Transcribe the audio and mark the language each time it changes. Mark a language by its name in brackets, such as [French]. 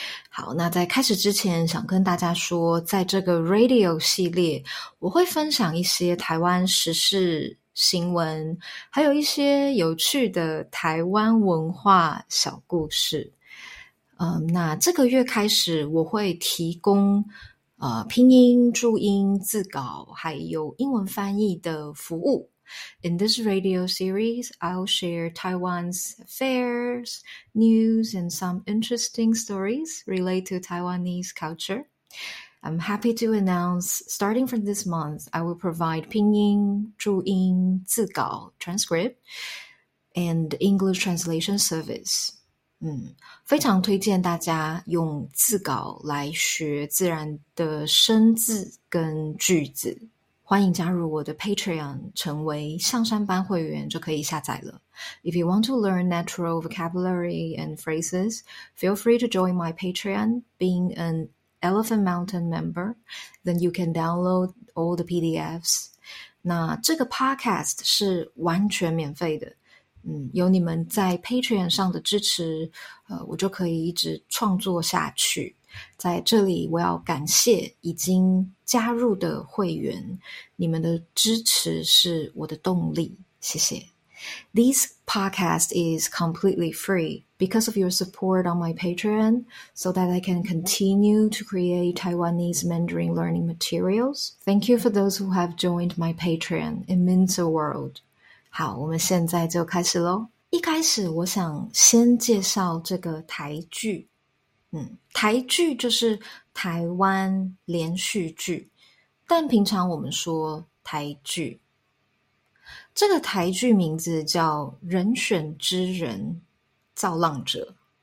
[Chinese] 好，那在开始之前想跟大家说，在这个 radio 系列我会分享一些台湾时事新闻，还有一些有趣的台湾文化小故事。那这个月开始我会提供拼音、注音、字稿还有英文翻译的服务。 [English] In this radio series, I'll share Taiwan's affairs, news and some interesting stories related to Taiwanese culture. I'm happy to announce, starting from this month, I will provide [Chinese] 拼音、注音、字稿 [English] transcript and English translation service. [Chinese] 非常推荐大家用字稿来学自然的生字跟句子，欢迎加入我的 Patreon 成为象山班会员就可以下载了。 [English] If you want to learn natural vocabulary and phrases, feel free to join my Patreon. Being an Elephant Mountain member, then you can download all the PDFs. [Chinese] 那这个 podcast 是完全免费的，有你们在 Patreon 上的支持，我就可以一直创作下去。在这里我要感谢已经加入的会员，你们的支持是我的动力，谢谢。 [English] This podcast is completely free because of your support on my Patreon, so that I can continue to create Taiwanese Mandarin learning materials. Thank you for those who have joined my Patreon. It means the world. [Chinese] 好，我们现在就开始咯。一开始我想先介绍这个台剧。台剧就是台湾连续剧，但平常我们说台剧。这个台剧名字叫人选之人造浪者。